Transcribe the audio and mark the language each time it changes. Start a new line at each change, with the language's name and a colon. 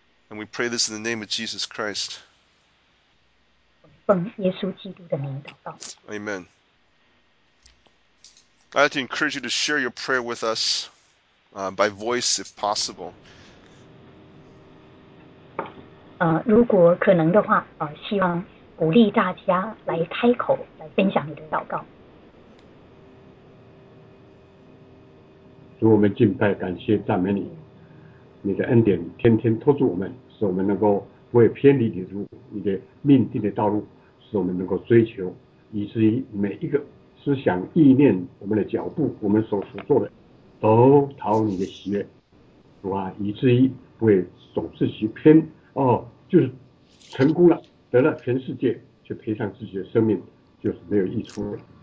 English: And we pray this in the name of Jesus Christ.
Chinese: 我们奉耶稣基督的名祷告。
English: Amen. I'd like to encourage you to share your prayer with us by voice if possible.
Chinese: 如果可能的话，希望鼓励大家来开口，来分享你的祷告。主，我们敬拜、感谢、赞美你，你的恩典天天托住我们，使我们能够未偏离你的路，你的命定的道路，使我们能够追求，以至于每一个思想、意念、我们的脚步、我们所做的，都讨你的喜悦，主啊，以至于不会总是去偏哦，就是成功了，得了全世界，却赔上自己的生命，就是没有益处了。